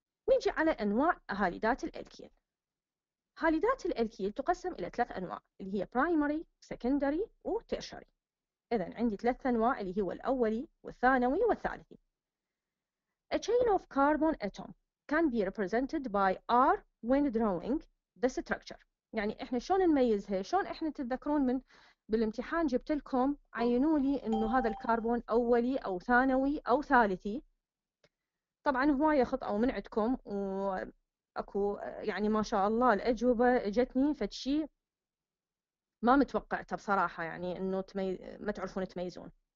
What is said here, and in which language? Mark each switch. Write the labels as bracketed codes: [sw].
[ar] نيجي على انواع هاليدات الالكيل. هاليدات الالكيل تقسم الى ثلاث انواع اللي هي برايمري سكندري وتيرشري. اذا عندي ثلاث انواع اللي هو الاولي والثانوي والثالثي. [en] A chain of carbon atom can be represented by R when drawing the structure. [ar] يعني احنا شلون نميزها؟ شلون احنا تتذكرون من بالامتحان جبت لكم عينوا لي انه هذا الكربون اولي او ثانوي او ثالثي. طبعا هوايه خطأ من عندكم واكو يعني ما شاء الله الاجوبه اجتني فتشي ما متوقعته بصراحه، يعني انه ما تعرفون تميزون.